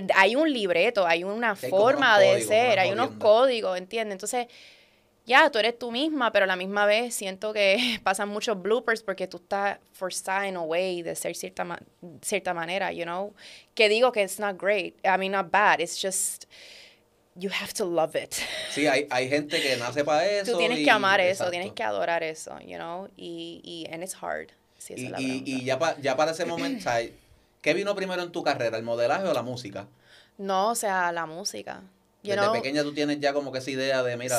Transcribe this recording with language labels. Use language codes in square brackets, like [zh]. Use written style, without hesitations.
[es] Hay un libreto, hay una forma de ser, hay unos códigos, ¿entiendes? Entonces, ya, tú eres tú misma, pero a la misma vez siento que pasan muchos bloopers porque tú estás forzada [en] in a way [es] de ser cierta manera, [en] you know? [es] Que digo que [en] it's not great, I mean, not bad, it's just, you have to love it. [es] Sí, hay gente que nace para eso. Tú tienes que amar eso, tienes que adorar eso, [en] you know? [es] Y [en] and it's hard, [es] si es la verdad. Y ya para ese momento, ¿qué vino primero en tu carrera, el modelaje o la música? No, o sea, la música. Desde pequeña tú tienes ya como que esa idea de, mira...